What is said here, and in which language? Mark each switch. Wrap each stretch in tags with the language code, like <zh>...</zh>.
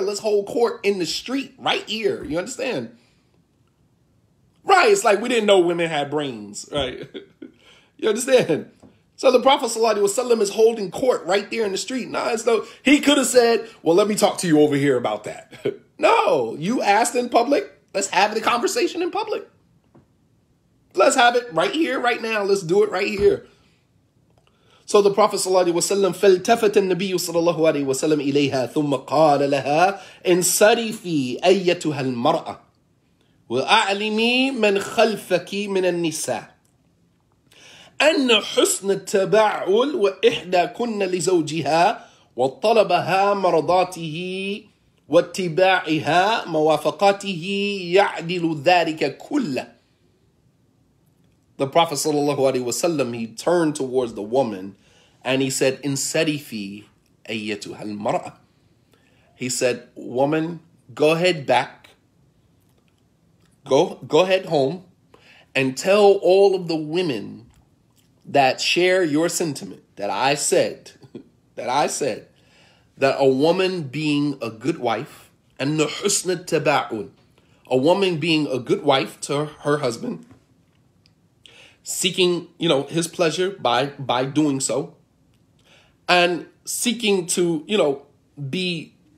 <en>Let's hold court in the street right here. You understand? Right. It's like we didn't know women had brains, right? You understand? So the Prophet Sallallahu Alaihi Wasallam is holding court right there in the street. Nah, as though he could have said, "Well, let me talk to you over here about that." No, you asked in public. Let's have the conversation in public. Let's have it right here, right now. Let's do it right here.</en> <ar>So the Prophet Sallallahu Alaihi Wasallam فالتفت النبي صلى الله عليه وسلم إليها ثم قال لها انصرفي أيتها المرأة وأعلمي من خلفك من النساء أن حسن التبعل وإحدى كن لزوجها وطلبها مرضاته واتباعها موافقاته يعدل ذلك كله.</ar> <en>The Prophet Sallallahu Alaihi Wasallam, he turned towards the woman and he said,</en> <ar>"Insarifi ayyatuha al-mar'a."</ar> <en>He said, "Woman, go ahead back. Go ahead home and tell all of the women that share your sentiment that I said that a woman being a good wife and the husna taba'un, a woman being a good wife to her husband, seeking, you know, his pleasure by doing so, and seeking to, you know, be</en>